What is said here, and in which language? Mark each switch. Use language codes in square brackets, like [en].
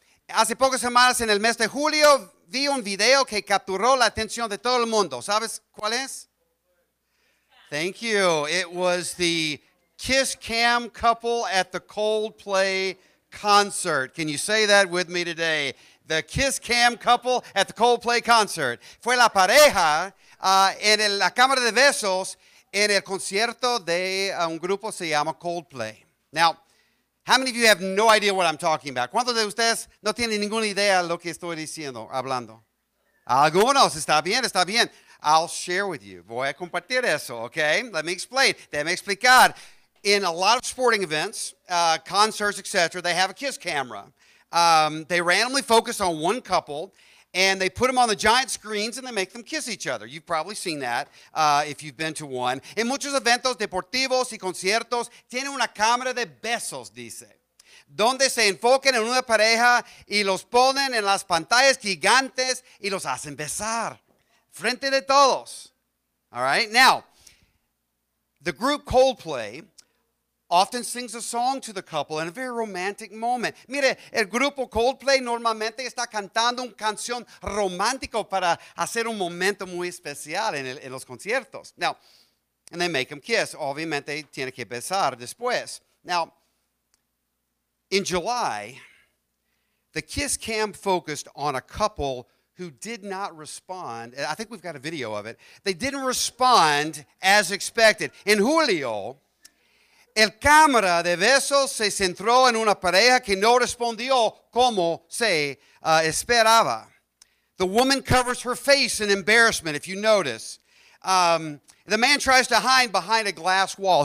[es] Hace pocas semanas, en el mes de julio, vi un video que capturó la atención de todo el mundo. ¿Sabes cuál es? [en] Thank you. It was the Kiss Cam couple at the Coldplay concert. Can you say that with me today? The Kiss Cam couple at the Coldplay concert. [es] Fue la pareja en la cámara de besos en el concierto de un grupo que se llama Coldplay. [en] Now, how many of you have no idea what I'm talking about? [es] ¿Cuántos de ustedes no tienen ninguna idea de lo que estoy diciendo, hablando? Algunos, está bien, está bien. [en] I'll share with you. [es] Voy a compartir eso, okay? [en] Let me explain. [es] Déjame explicar. [en] In a lot of sporting events, concerts, etc., they have a kiss camera. They randomly focus on one couple, and they put them on the giant screens, and they make them kiss each other. You've probably seen that if you've been to one. [es] En muchos eventos deportivos y conciertos, tiene una cámara de besos, dice, donde se enfocan en una pareja y los ponen en las pantallas gigantes y los hacen besar. Frente de todos. [en] All right. Now, the group Coldplay often sings a song to the couple in a very romantic moment. [es] Mire, el grupo Coldplay normalmente está cantando una canción romántica para hacer un momento muy especial en los conciertos. [en] Now, and they make them kiss. [es] Obviamente, tiene que besar después. [en] Now, in July, the Kiss Cam focused on a couple who did not respond. I think we've got a video of it. They didn't respond as expected. [es] In julio, el cámara de besos se centró en una pareja que no respondió como se esperaba. [en] The woman covers her face in embarrassment, if you notice. The man tries to hide behind a glass wall.